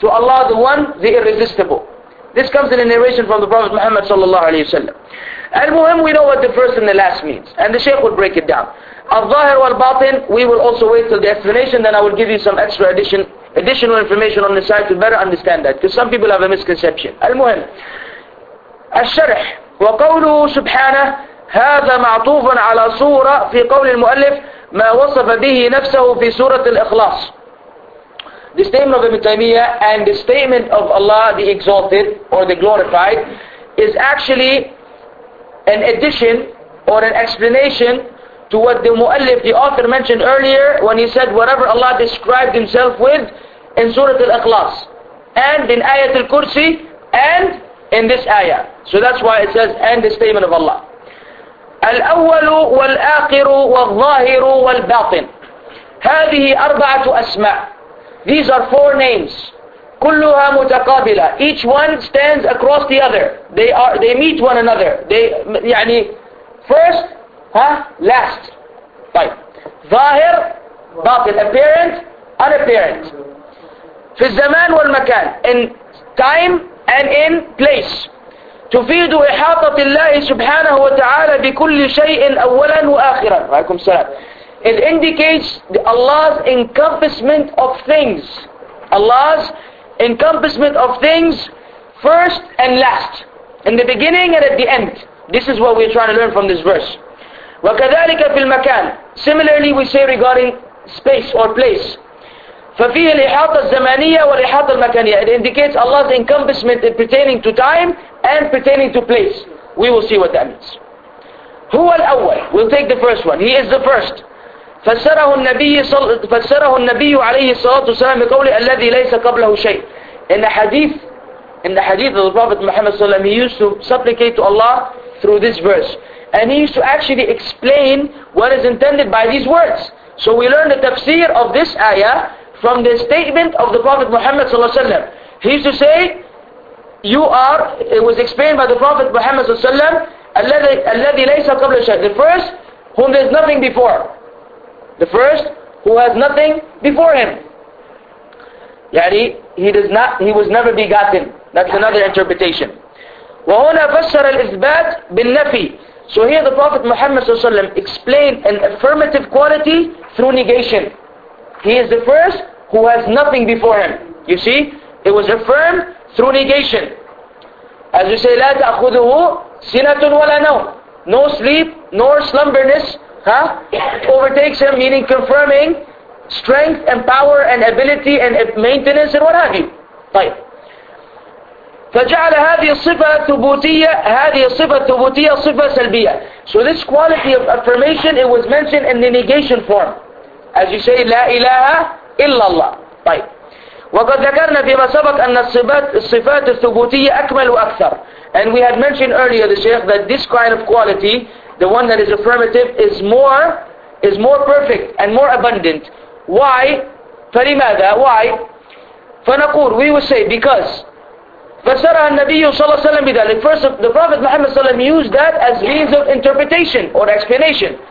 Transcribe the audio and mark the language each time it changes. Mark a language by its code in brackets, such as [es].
[en] To Allah the One, the Irresistible. This comes in a narration from the Prophet Muhammad sallallahu alayhi wa sallam. Al-Muhim, we know what the first and the last means. And the Shaykh will break it down. Al-Zahir wal-Batin, we will also wait till the explanation, then I will give you some extra additional information on the side to better understand that. Because some people have a misconception. [ar] Al-Muhim. Al-Sharh. وقوله سبحانه هذا معطوف على صورة في قول المؤلف ما وصف به نفسه في سورة الإخلاص. [en] The statement of Ibn Taymiyyah and the statement of Allah the Exalted or the Glorified is actually an addition or an explanation to what the Mu'allif, the author, mentioned earlier when he said whatever Allah described Himself with in Surah Al-Ikhlas and in Ayat Al-Kursi and in this ayah. So that's why it says, and the statement of Allah. [ar] الأول والآخر والظاهر والباطن. هذه أربعة أسماء. [en] These are four names. [ar] كلها متقابلة. [en] Each one stands across the other. They meet one another. They يعني first, last. [ar] طيب. ظاهر, باطن. [en] Apparent, unapparent. [ar] في الزمان والمكان. [en] In time and in place. [ar] تفيد إحاطة الله سبحانه وتعالى بكل شيء أولا وآخرا. عليكم السلام. [en] It indicates Allah's encompassment of things. Allah's encompassment of things first and last. In the beginning and at the end. This is what we're trying to learn from this verse. [ar] وكذلك في المكان. [en] Similarly we say regarding space or place. [ar] ففيه الإحاطة الزمانية والإحاطة المكانية. [en] It indicates Allah's encompassment in pertaining to time and pertaining to place. We will see what that means. [ar] هو الأول. [en] We'll take the first one. He is the first. [ar] فسره النبي عليه الصلاة والسلام بقوله الذي ليس قبله شيء. [en] In the hadith of the Prophet Muhammad صلى الله عليه وسلم, he used to supplicate to Allah through this verse. And he used to actually explain what is intended by these words. So we learn the tafsir of this ayah from the statement of the Prophet Muhammad صلى الله عليه وسلم. He used to say, it was explained by the Prophet Muhammad صلى الله عليه وسلم, [ar] الذي ليس قبله شيء. [en] The first, whom there is nothing before. The first, who has nothing before him. يعني, he was never begotten. That's another interpretation. [ar] وهنا فسر الإثبات بالنفي. [en] So here the Prophet Muhammad صلى الله عليه وسلم explained an affirmative quality through negation. He is the first who has nothing before him. You see, it was affirmed through negation. As you say, [ar] لا تأخذه سنة ولا نوم. [en] No sleep nor slumberness overtakes him, meaning confirming strength and power and ability and maintenance and what have you. [ar] طيب. فجعل هذه الصفة ثبوتية, هذه الصفة ثبوتية صفة سلبية. [en] So this quality of affirmation, it was mentioned in the negation form. As you say, [ar] لا إله إلا الله. طيب. وقد ذكرنا فيما سبق أن الصفات الثبوتية أكمل وأكثر. [en] And we had mentioned earlier, the Shaykh, that this kind of quality, the one that is affirmative, is more perfect and more abundant. Why? فلماذا? Why? فنقول, we will say, because. [ar] فسرها النبي صلى الله عليه وسلم بذلك. [en] First, the Prophet Muhammad صلى الله عليه وسلم used that as means of interpretation or explanation.